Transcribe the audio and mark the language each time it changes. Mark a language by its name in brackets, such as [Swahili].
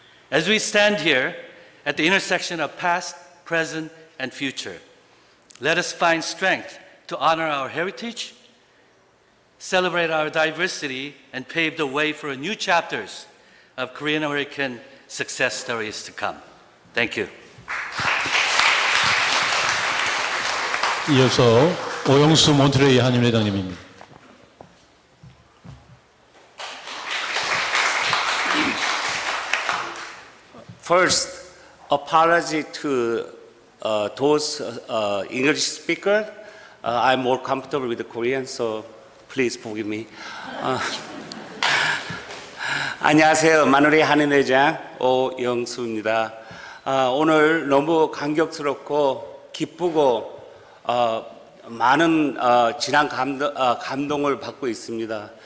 [English] As we stand here at the intersection of past, present, and future, let us find strength to honor our heritage, celebrate our diversity, and pave the way for new chapters of Korean-American success stories to come. Thank you. [Korean] 이어서 오영수 몬트레이 한인회장님입니다. [English] First, apology to those English speakers. I'm more comfortable with the Korean, so please forgive me. [Korean] 안녕하세요. 마누리 한인회장 오영수입니다. 오늘 너무 감격스럽고 기쁘고 많은 지난 감동을 받고 있습니다.